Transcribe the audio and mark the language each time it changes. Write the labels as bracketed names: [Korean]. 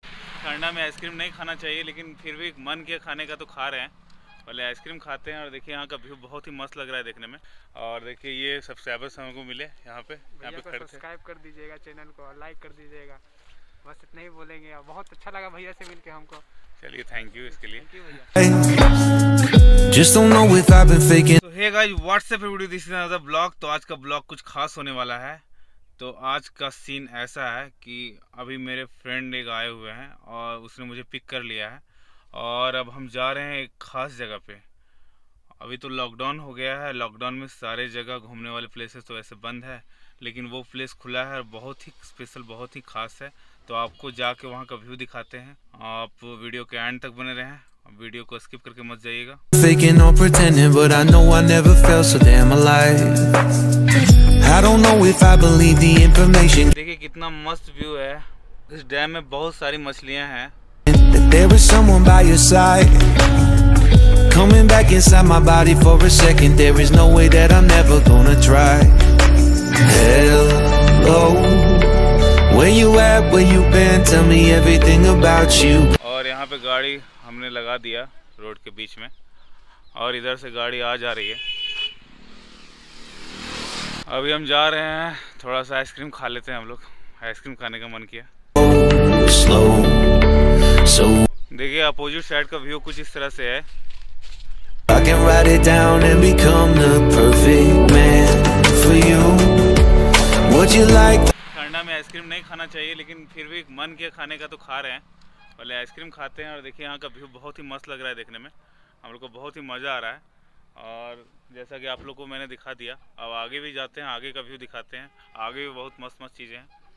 [Hindi] ठंडा में आइसक्रीम नहीं खाना चाहिए, लेकिन फिर भी मन किया खाने का तो खा रहे हैं, पहले आइसक्रीम खाते हैं। और देखिए यहाँ का व्यू बहुत ही मस्त लग रहा है देखने में। और देखिए ये सब्सक्राइबर्स हमको मिले यहाँ पे खड़े, सब्सक्राइब कर दीजिएगा चैनल को और लाइक कर दीजिएगा, बस इतना ही बोलेंगे। बहुत अच्छा लगा भैया से मिलके हमको, चलिए थैंक यू इसके लिए। [English] Just don't know if I've been faking. So, hey guys, what's up everybody? This is another vlog. [Hindi] तो आज का vlog कुछ खास होने वाला है। तो आज का सीन ऐसा है कि अभी मेरे फ्रेंड एक आए हुए हैं और उसने मुझे पिक कर लिया है, और अब हम जा रहे हैं एक खास जगह पे। अभी तो लॉकडाउन हो गया है, लॉकडाउन में सारे जगह घूमने वाले प्लेसेस तो ऐसे बंद है, लेकिन वो प्लेस खुला है और बहुत ही स्पेशल, बहुत ही खास है। तो आपको जाके वहाँ का व्यू दिखाते हैं, आप वीडियो के एंड तक बने रहें, वीडियो को स्किप करके मत जाइएगा। [English] Faking or pretending, but I know I never felt so damn alive. I don't know if I believe the information. [Hindi] देखिए कितना मस्त व्यू है, इस डैम में बहुत सारी मछलियां हैं। [English] There was someone by your side. Coming back inside my body for a second. There is no way that I'm never gonna try. Hello. Where you at? Where you been? Tell me everything about you. [Hindi] और यहां पे गाड़ी हमने लगा दिया road के बीच में, और इधर से गाड़ी आ जा रही है। अभी हम जा रहे हैं, थोड़ा सा आइसक्रीम खा लेते हैं हम लोग, आइसक्रीम खाने का मन किया। देखिए अपोजिट साइड का व्यू कुछ इस तरह से है। [English] I can write it down and become the perfect man for you. Would you like? [Hindi] ठंडा में आइसक्रीम नहीं खाना चाहिए, लेकिन फिर भी मन किया खाने का तो खा रहे हैं, पहले आइसक्रीम खाते हैं। और देखिए यहाँ का व्यू बहुत ही मस्त लग रहा है देखने में, हम लोग को बहुत ही मज़ा आ रहा है। और जैसा कि आप लोग को मैंने दिखा दिया, अब आगे भी जाते हैं, आगे का व्यू दिखाते हैं, आगे भी बहुत मस्त मस्त चीज़ें हैं।